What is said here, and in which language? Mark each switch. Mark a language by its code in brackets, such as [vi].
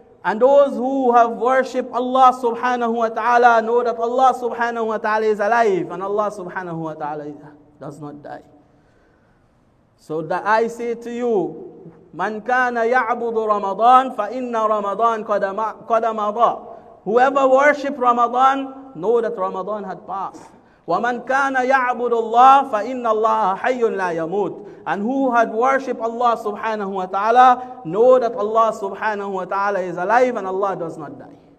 [en] And those who have worshipped Allah subhanahu wa ta'ala know that Allah subhanahu wa ta'ala is alive and Allah subhanahu wa ta'ala does not die. So that I say to you, [ar] مَنْ كَانَ يَعْبُدُ رَمَضَانَ فَإِنَّ رَمَضَانَ قَدَمَضَى. [en] Whoever worshipped Ramadan, know that Ramadan had passed. [ar] وَمَنْ كَانَ يَعْبُدُ اللَّهِ فَإِنَّ اللَّهَ حَيٌّ لَا يَمُوتُ. [en] And who had worshipped Allah subhanahu wa ta'ala, know that Allah subhanahu wa ta'ala is alive and Allah does not die.